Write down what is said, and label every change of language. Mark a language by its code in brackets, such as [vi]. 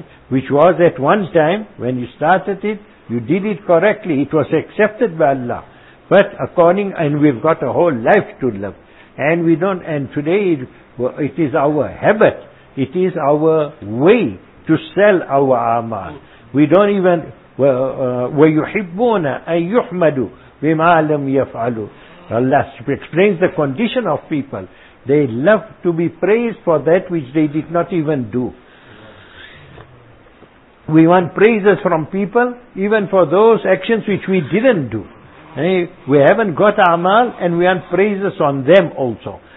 [en] Which was at one time when you started it, you did it correctly. It was accepted by Allah. But according, and we've got a whole life to live. And we don't, and today it is our habit, it is our way to sell our amal. We don't even, [ar] وَيُحِبُّونَ أَن يُحْمَدُوا بِمَا لَمْ يَفْعَلُوا. [en] Allah explains the condition of people. They love to be praised for that which they did not even do. We want praises from people, even for those actions which we didn't do. We haven't got amal, and we want praises on them also.